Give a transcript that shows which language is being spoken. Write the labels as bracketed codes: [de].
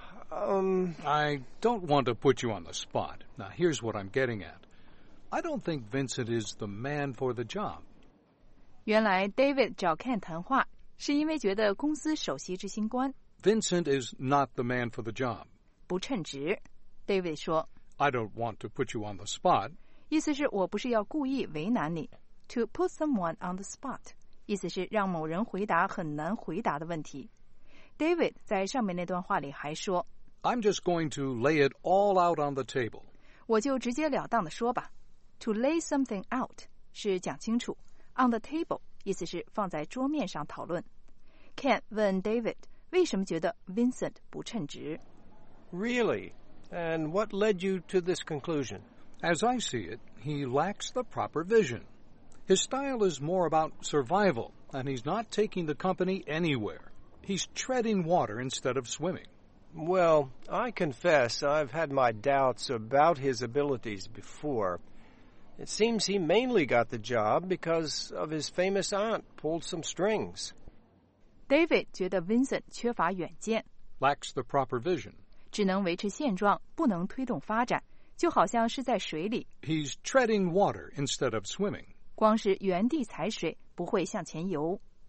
[en] I don't want to put you on the spot. Now, here's what I'm getting at. I don't think Vincent is the man for the job. [zh] 原来 David 找 Ken 谈话是因为觉得公司首席执行官 [en] Vincent is not the man for the job. [zh] 不称职 ,David 说 [en] I don't want to put you on the spot. [zh] 意思是我不是要故意为难你。 [en] To put someone on the spot. [zh] 意思是让某人回答很难回答的问题。 David 在上面那段话里还说 [en] I'm just going to lay it all out on the table. [zh] 我就直截了当地说吧。 [en] To lay something out [zh] 是讲清楚。 [en] On the table. [zh] 意思是放在桌面上讨论。 Ken 问 David 为什么觉得 Vincent 不称职。 [en] Really? And what led you to this conclusion? As I see it, he lacks the proper vision. His style is more about survival, and he's not taking the company anywhere. He's treading water instead of swimming. Well, I confess I've had my doubts about his abilities before. It seems he mainly got the job because of his famous aunt pulled some strings. [zh] David 觉得 Vincent 缺乏远见 [en] lacks the proper vision. [zh] 只能维持现状，不能推动发展，就好像是在水里。 [en] He's treading water instead of swimming. [zh] 光是原地踩水，不会向前游。